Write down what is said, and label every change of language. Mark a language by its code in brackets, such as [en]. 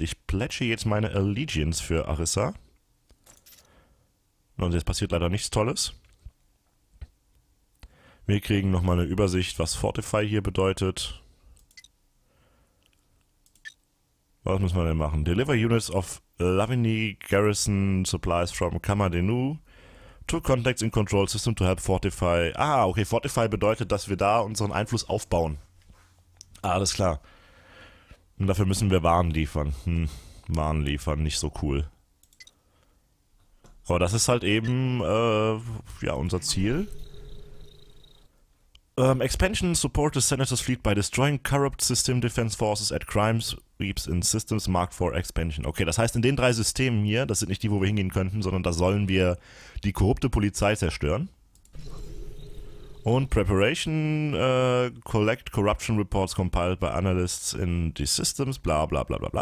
[de] Ich plätsche jetzt meine Allegiance für Arissa. Und jetzt passiert leider nichts Tolles. Wir kriegen nochmal eine Übersicht, was Fortify hier bedeutet. Was müssen wir denn machen? [en] Deliver Units of Lavigny Garrison Supplies from Kamadenu to Contacts in Control System to help Fortify. [de] Ah, okay, Fortify bedeutet, dass wir da unseren Einfluss aufbauen. Alles klar. Und dafür müssen wir Waren liefern. Waren liefern, nicht so cool. Aber das ist halt eben, ja, unser Ziel. [en] Expansion support the Senator's fleet by destroying corrupt system defense forces at crimes sweeps in systems marked for expansion. [de] Okay, das heißt, in den drei Systemen hier, das sind nicht die, wo wir hingehen könnten, sondern da sollen wir die korrupte Polizei zerstören. Und [en] Preparation, Collect Corruption Reports compiled by Analysts in the Systems, bla bla bla bla bla.